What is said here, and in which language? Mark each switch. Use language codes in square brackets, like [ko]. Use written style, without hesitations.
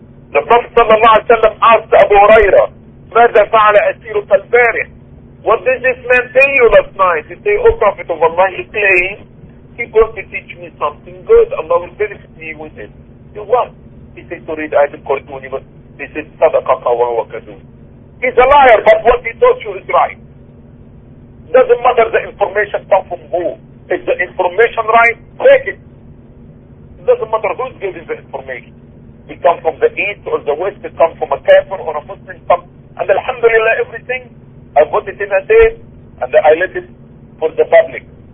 [en] The Prophet sallallahu alayhi wa sallam asked Abu Huraira, [ar] ماذا فعل أسيرك البارح? [en] What did this man tell you last night? He said, O Prophet of Allah, he claimed, he going to teach me something good. Allah will benefit me with it. He what? He said, to read Ayatul Kursi. He said, [ar] صدقك وهو كذوب. [en] He's a liar, but what he taught you is right. Doesn't matter the information comes from who. Is the information right? Take it. Doesn't matter who's giving the information. It comes from the east or the west, it comes from a kafir or a Muslim. And alhamdulillah, everything, I put it in a tape and I let it for the public.